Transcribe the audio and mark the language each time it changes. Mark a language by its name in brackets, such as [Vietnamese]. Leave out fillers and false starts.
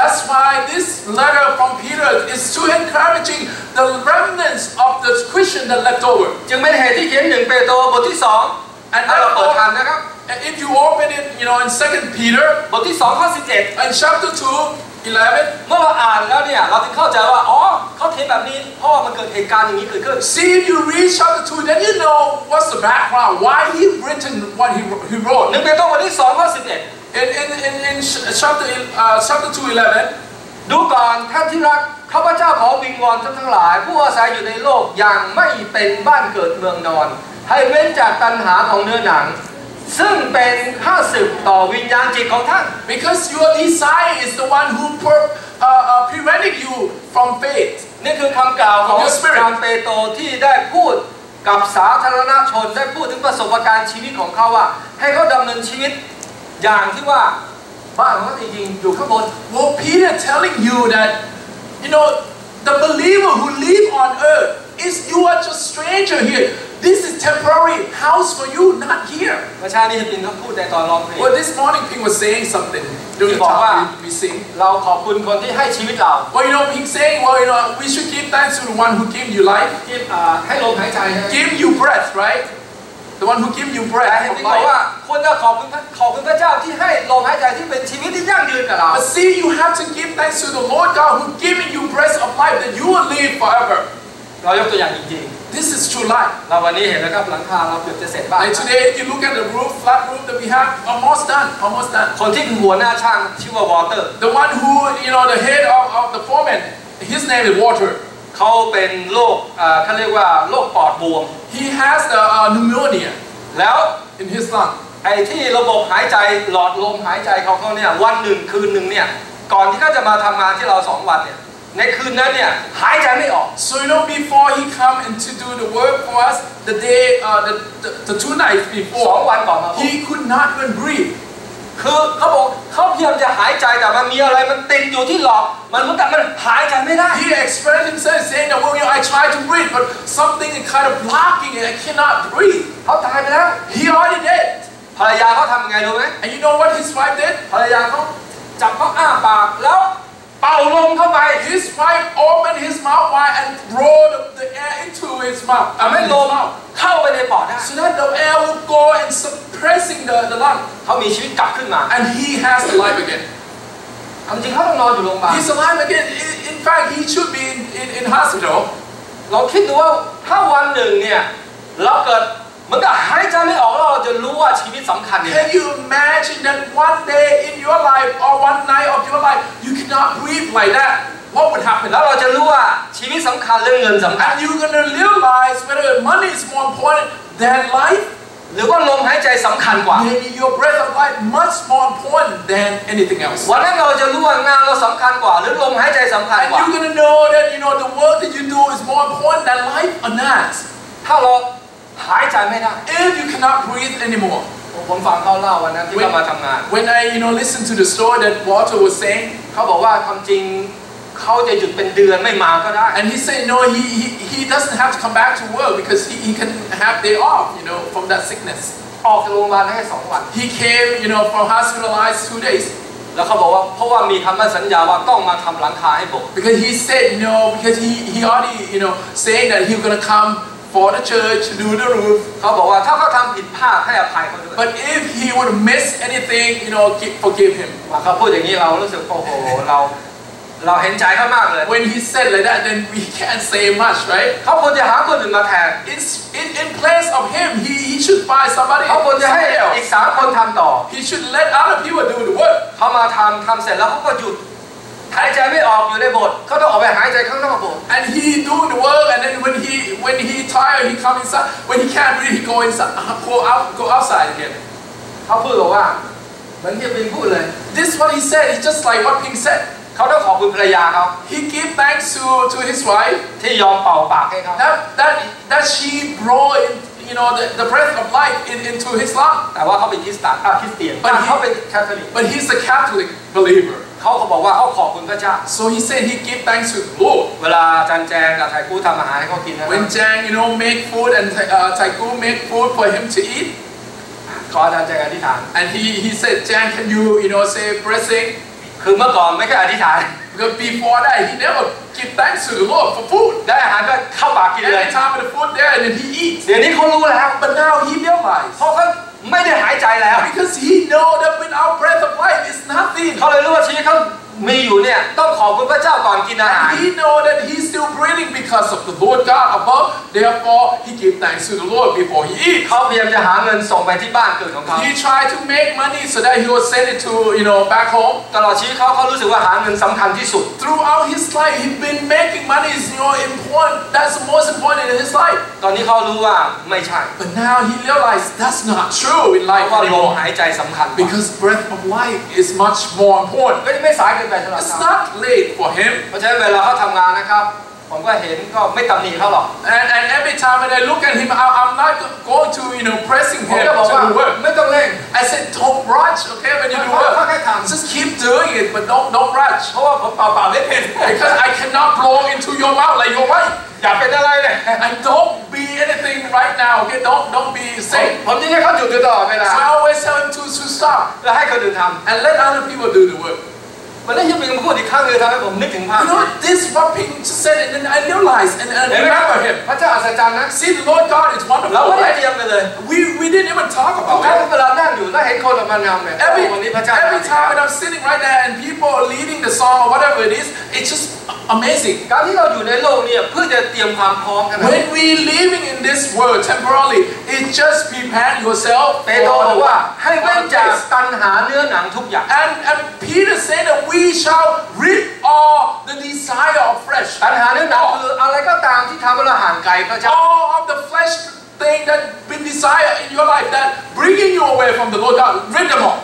[English] That's why this letter from Peter is to encouraging the remnants of the Christian that left over. [Thai] จึงเป็นเหตุที่เขียนหนึ่งเปโตรบทที่สองให้เราเปิดทันนะครับ [English] And if you open it, you know, in 2 Peter, [Thai] บทที่สองข้อ17 [English] and chapter 2, 11, [Thai] เมื่อเราอ่านแล้วเนี่ยเราถึงเข้าใจว่าอ๋อเขาเขียนแบบนี้เพราะมันเกิดเหตุการณ์อย่างนี้เกิดขึ้น [English] See if you read chapter 2, then you know what's the background, why he written what he wrote. [Thai] นึกไปต้องบทที่สองข้อ11 [English] In chapter 2, 11, [Thai] ดูก่อนท่านที่รักข้าพเจ้าขอวิงวอนท่านทั้งหลายผู้อาศัยอยู่ในโลกยังไม่เป็นบ้านเกิดเมืองนอนให้เว้นจากตัณหาของเนื้อหนังซึ่งเป็นข้าศึกต่อวิญญาณจิตของท่าน [English] because your desire is the one who prevented you from faith [Thai] นี่คือคำกล่าวของอาจารย์เปโตรที่ได้พูดกับสาธารณชนได้พูดถึงประสบการณ์ชีวิตของเขาว่าให้เขาดำเนินชีวิตอย่างที่ว่าบ้านของเขาจริงๆอยู่ข้างบน [English] well Peter telling you that you know the believer who live on earth is you are just stranger hereThis is temporary house for you, not here. [Thai] เมื่อเช้านี้ฮิปปิงเขาพูดในตอนร้องเพลง [English] Well, this morning Ping was saying something. He [Thai] บอกว่า [English] We sing. [Thai] เราขอบคุณคนที่ให้ชีวิตเรา [English] Well, you know, Ping saying, well, you know, we should give thanks to the one who gave you life. Give, [Thai] ให้ลมหายใจ [English] Give you breath, right? The one who gave you breath. [Thai] แต่ฮิปปิงบอกว่าคนจะขอบคุณพระเจ้าที่ให้ลมหายใจที่เป็นชีวิตที่ยั่งยืนกับเรา [English] But see, you have to give thanks to the Lord God who giving you breath of life that you will live forever. [Thai] เรายกตัวอย่างจริง [English] This is true life. [Thai] เราวันนี้เห็นแล้วครับหลังคาเราเกือบจะเสร็จบ้าง [English] And today, if you look at the roof, flat roof that we have, almost done. [Thai] คนที่หัวหน้าช่างชื่อว่า Walter. [English] The one who, you know, the head of the foreman, his name is Walter. [Thai] เขาเป็นโรคเขาเรียกว่าโรคปอดบวม [English] He has the pneumonia. [Thai] แล้ว [English] in his lung. [Thai] ไอ้ที่ระบบหายใจหลอดลมหายใจเขาเนี่ยวันหนึ่งคืนหนึ่งเนี่ยก่อนที่เขาจะมาทำงานที่เราสองวันเนี่ยในคืนนั้นเนี่ยหายใจไม่ออก [English] so you know before he come and to do the work for us the day the two nights before [Thai] 2 วันก่อน [English] he could not even breathe [Thai] คือเขาบอกเขาพยายามจะหายใจแต่มันมีอะไรมันติดอยู่ที่หลอดมันเหมือนกับมันหายใจไม่ได้ [English] he expressed himself saying that well you know I tried to breathe but something is kind of blocking and I cannot breathe [Thai] เขาตายไปแล้ว [English] he already dead [Thai] ภรรยาเขาทำ ำไงรู้ไหม [English] And you know what his wife did? [Thai] ภรรยาเขาจับเขาอ้าปากแล้ว เป่าลมเข้าไป [English] His wife opened his mouth wide and blowed the air into his mouth. [Thai] ทำให้ลมเข้าไปในปอดได้ [English] So that the air would go and suppressing the lung. [Thai] เขามีชีวิตกลับขึ้นมา [English] And he has life again. [Thai] ทำจริงเขาต้องนอนอยู่โรงพยาบาล [English] He's alive again. In fact, he should be in hospital. [Thai] เราคิดดูว่าถ้าวันหนึ่งเนี่ยเราเกิดมันก็หายใจไม่ออกแล้วเราจะรู้ว่าชีวิตสำคัญเนี่ย [English] Can you imagine that one day in your life or one night of your life you cannot breathe like that? What would happen? [Thai] แล้วเราจะรู้ว่าชีวิตสำคัญเรื่องเงินสำคัญ [English] And you're gonna realize whether money is more important than life [Thai] หรือว่าลมหายใจสำคัญกว่า [English] Maybe your breath of life much more important than anything else. [Thai] วันนั้นเราจะรู้ว่างานเราสำคัญกว่าหรือลมหายใจสำคัญกว่า [English] You're gonna know that you know the work that you do is more important than life or not. [Thai] ถ้าเราหายใจไม่ได้ [English] If you cannot breathe anymore [Thai] ผมฟังเขาเล่าวันนั้นที่เขามาทำงาน [English] When I you know listen to the story that Walter was saying [Thai] เขาบอกว่าความจริงเขาจะหยุดเป็นเดือนไม่มาก็ได้ [English] And he said no he doesn't have to come back to work because he can have day off you know from that sickness [Thai] ออกจากโรงพยาบาลได้แค่สองวัน [English] He came you know from hospitalized 2 days [Thai] แล้วเขาบอกว่าเพราะว่ามีคำมั่นสัญญาว่าต้องมาทำหลังคาให้ผม [English] Because he said no because he already you know saying that he was gonna comeFor the church to do the roof, [Thai] เขาบอกว่าถ้าเขาทำผิดพลาดให้อภัยเขาด้วย [English] But if he would miss anything, you know, forgive him. [Thai] เขาพูดอย่างนี้เรารู้สึกโอ้โหเราเห็นใจเขามากเลย [English] When he said like that, then we can't say much, right? [Thai] เขาควรจะหาคนอื่นมาแทน [English] In place of him, he should find somebody. [Thai] เขาควรจะให้อีกสามคนทำต่อ [English] He should let other people do the work. [Thai] เขามาทำเสร็จแล้วเขาก็หยุดหายใจไม่ออกอยู่ในโบสถ์เขาต้องออกไปหายใจข้างนอกโบสถ์ [English] and he do the work and then when he tired he come inside when he can't breathe he go inside go outside again [Thai] เขาพูดว่าเหมือนที่พิงพูดเลย [English] this what he said is just like what Pink said [Thai] เขาต้องขอบคุณภรรยาเขา [English] he give thanks to his wife [Thai] ที่ยอมเป่าปากให้เขา [English] that she blow in you know the breath of life into his lung [Thai] แต่ว่าเขาเป็นคริสเตียนแต่เขาเป็นคาทอลิก [English] but he's a Catholic believer [Thai] เขาก็บอกว่าเขาขอบคุณพระเจ้า [English] so he said he give thanks to the Lord [Thai] เวลาจันแจงกับไทกู้ทำอาหารให้เขากินนะ [English] when Jang you know make food and Thai Gu make food for him to eat [Thai] ขออาจารย์แจงอธิษฐาน [English] and he said Jang can you know say blessing [Thai] คือเมื่อก่อนไม่เคยอธิษฐาน [English] because before that he never give thanks to the Lord for food [Thai] ได้อาหารก็เข้าปากกินเลย [English] every time the food there and then he eat [Thai] เดี๋ยวนี้เขารู้แล้ว [English] but now he realized [Thai] ไม่ได้หายใจแล้ว [English] because he know that without breath of life is nothing [Thai] เขาเลยรู้ว่าชีวิตเขามีอยู่เนี่ยต้องขอบคุณพระเจ้าก่อนกินอาหาร [English] he know that he still breathing because of the Lord God above therefore he give thanks to the Lord before he eat [Thai] เขาพยายามจะหาเงินส่งไปที่บ้านเกิดของเขา [English] he try to make money so that he will send it to you know back home [Thai] ตลอดชีวิตเขารู้สึกว่าหาเงินสำคัญที่สุด [English] throughout his life he been making money is you know important that's the most important in his life [Thai] ตอนนี้เขารู้ว่าไม่ใช่ [English] But now he realized that's not true in life [Thai] ว่าลมหายใจสำคัญ [English] Because breath of life is much more important [Thai] ไม่สายเกินไปสำหรับเขา [English] It's not late for him [Thai] เพราะฉะนั้นเวลาเขาทำงานนะครับผมก็เห็นก็ไม่ตำหนิเขาหรอก [English] And every time when I look at him I'm not going to you know pressing him to do work [Thai] ไม่ต้องเร่ง [English] I said don't rush okay when you do work Just keep doing it but don't rush [Thai] เพราะว่าผมเป่าไม่เป็น [English] Because I cannot blow into your mouth like your wife [Thai] อย่าเป็นอะไรเลย [English] and don't be anything right now okay don't be safe [Thai] ผมจะให้เขาหยุดตลอดเวลา [English] so I always tell him to stop [Thai] แล้วให้เขาเดินทำ [English] and let other people do the work [Thai] วันนี้ยังมีคำพูดอีกครั้งเลยทำให้ผมนึกถึงภาพ [English] you know this what Ping just said and then I realized and remember him [Thai] พระเจ้าอัศจรรย์นะ [English] see the Lord God is wonderful [Thai] เราไม่ได้เตรียมไปเลย [English] we didn't even talk about it [Thai] ทุกครั้งเวลานั่งอยู่แล้วเห็นคนออกมางามเลยวันนี้พระเจ้า [English] every time when I'm sitting right there and people are leading the song or whatever it is it's justAmazing. [Thai] การที่เราอยู่ในโลกเนี่ยเพื่อจะเตรียมความพร้อมกัน [English] When we living in this world temporarily, it just prepare yourself. [Thai] เปโตรบอกว่าให้เว้นจากตัณหาเนื้อหนังทุกอย่าง [English] And Peter said that we shall rid all the desire of flesh. [Thai] ตัณหาเนื้อหนังคืออะไรก็ตามที่ทำให้เราห่างไกลพระเจ้ า [English] All of the fleshThing that been desire in your life that bringing you away from the Lord God, rid them all.